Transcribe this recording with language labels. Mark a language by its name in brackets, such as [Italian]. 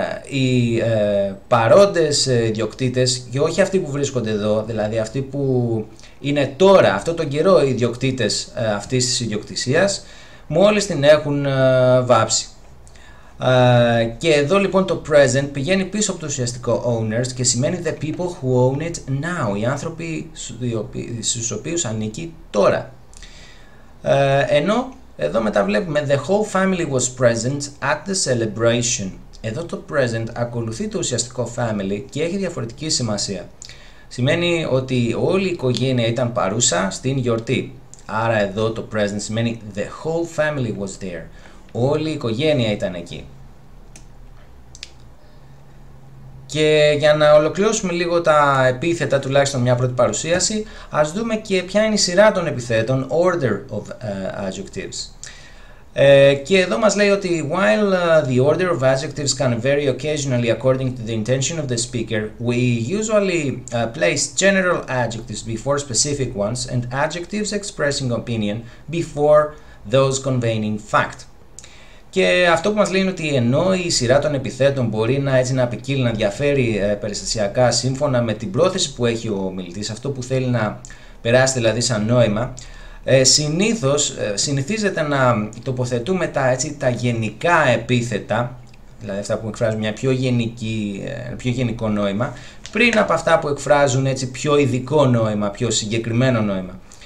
[Greek] Οι παρόντες ιδιοκτήτες, και όχι αυτοί που βρίσκονται εδώ, δηλαδή αυτοί που είναι τώρα, αυτό τον καιρό οι ιδιοκτήτες αυτής της ιδιοκτησίας, μόλις την έχουν βάψει. Και εδώ λοιπόν το present πηγαίνει πίσω από το ουσιαστικό owners και σημαίνει [English] the people who own it now, [Greek] οι άνθρωποι στους οποίους ανήκει τώρα. Ενώ εδώ μετά βλέπουμε [English] the whole family was present at the celebration. [Greek] Εδώ το present ακολουθεί το ουσιαστικό family και έχει διαφορετική σημασία. Σημαίνει ότι όλη η οικογένεια ήταν παρούσα στην γιορτή. Άρα εδώ το [English] present σημαίνει the whole family was there. [Greek] Όλη η οικογένεια ήταν εκεί. Και για να ολοκληρώσουμε λίγο τα επίθετα, τουλάχιστον μια πρώτη παρουσίαση, ας δούμε και ποια είναι η σειρά των επιθέτων, [English] order of adjectives. [Greek] Και εδώ μας λέει ότι [English] while the order of adjectives can vary occasionally according to the intention of the speaker, we usually place general adjectives before specific ones and adjectives expressing opinion before those conveying fact. [Greek] Και αυτό που μας λέει είναι ότι ενώ η σειρά των επιθέτων μπορεί να έτσι να ποικίλει, να διαφέρει περιστασιακά σύμφωνα με την πρόθεση που έχει ο μιλητής, αυτό που θέλει να περάσει δηλαδή σαν νόημα, συνήθως συνηθίζεται να τοποθετούμε τα γενικά επίθετα, δηλαδή αυτά που εκφράζουν μια πιο γενικό νόημα, πριν από αυτά που εκφράζουν έτσι πιο ειδικό νόημα, πιο συγκεκριμένο νόημα.